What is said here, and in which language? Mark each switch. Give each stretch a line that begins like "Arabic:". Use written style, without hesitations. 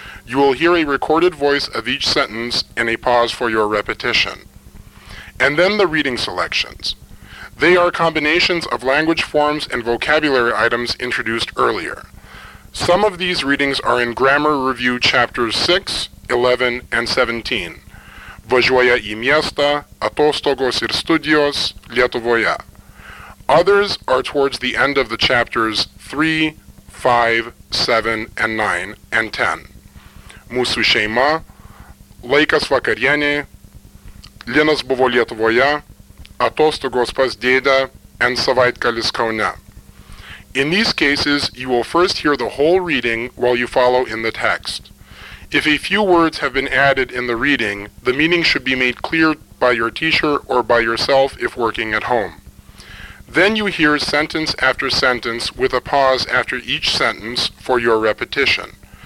English: You will hear a recorded voice of each sentence and a pause for your repetition. And then the reading selections. They are combinations of language forms and vocabulary items introduced earlier. Some of these readings are in Grammar Review Chapters 6, 11, and 17.
Lithuanian: Važiuoja į miestą, atostogos ir studijos, Lietuvoje.
English: Others are towards the end of the chapters 3, 5, 7, and 9, and 10.
Lithuanian: Mūsų šeima, laikas vakarienė, Linas buvo Lietuvoje, atostogos pas dėdę, and savaitgalis Kaune.
English: In these cases, you will first hear the whole reading while you follow in the text. If a few words have been added in the reading, the meaning should be made clear by your teacher or by yourself if working at home. Then you hear sentence after sentence with a pause after each sentence for your repetition.